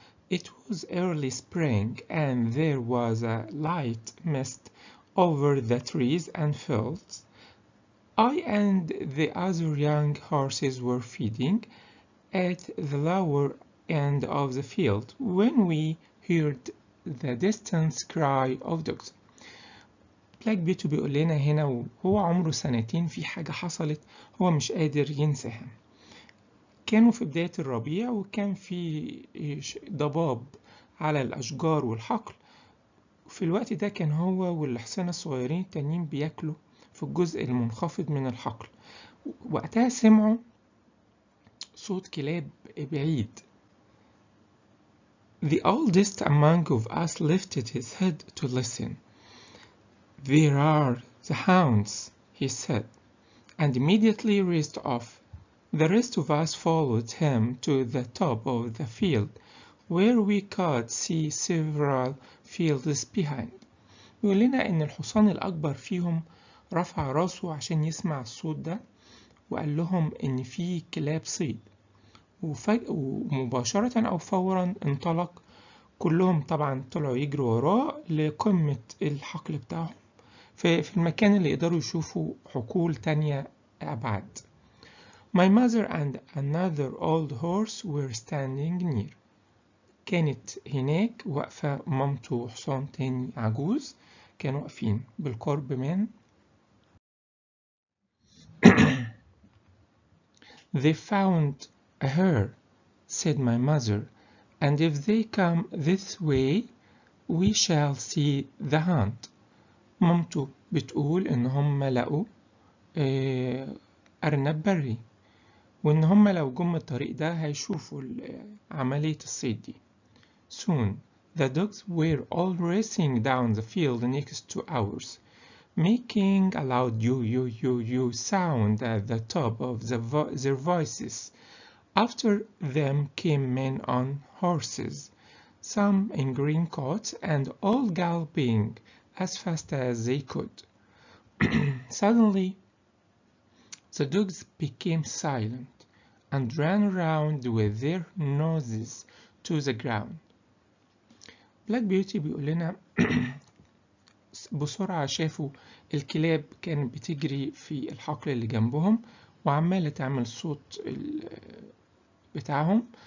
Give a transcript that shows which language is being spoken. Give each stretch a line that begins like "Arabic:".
English: It was early spring, and there was a light mist over the trees and fields. I and the other young horses were feeding at the lower end of the field when we heard the distant cry of dogs.
Arabic: بلاك بيوتي بيقول لنا هنا وهو عمره سنتين في حاجة حصلت هو مش قادر ينساها. كانوا في بداية الربيع وكان في ضباب على الأشجار والحقل. في الوقت ده كان هو والحصان الصغيرين التانيين بياكلوا في الجزء المنخفض من الحقل. وقتها سمعوا صوت كلاب بعيد.
English: The oldest among of us lifted his head to listen. There are the hounds, he said, and immediately raced off. The rest of us followed him to the top of the field, where we could see several fields behind.
Arabic: بيقول لنا إن الحصان الأكبر فيهم رفع راسه عشان يسمع الصوت ده، وقال لهم إن في كلاب صيد، ومباشرة أو فورا انطلق، كلهم طبعا طلعوا يجروا وراه لقمة الحقل بتاعهم في المكان اللي يقدروا يشوفوا حقول تانية أبعد.
English: My mother and another old horse were standing near.
Arabic: كانت هناك واقفة مامته وحصان تاني عجوز، كانوا واقفين بالقرب من
English: They found her, said my mother, and if they come this way, we shall see the hunt.
Arabic: مامته بتقول إن هم لقوا أرنب بري، وإن هم لو جم الطريق ده هيشوفوا عملية الصيد دي.
English: Soon, the dogs were all racing down the field next to ours, making a loud yo-yo-yo-yo sound at the top of their voices. After them came men on horses, some in green coats and all galloping as fast as they could. Suddenly, the dogs became silent and ran around with their noses to the ground.
Arabic: بلاك بيوتي بيقول لنا بسرعة شافوا الكلاب كانت بتجري في الحقل اللي جنبهم وعمالة تعمل صوت بتاعهم.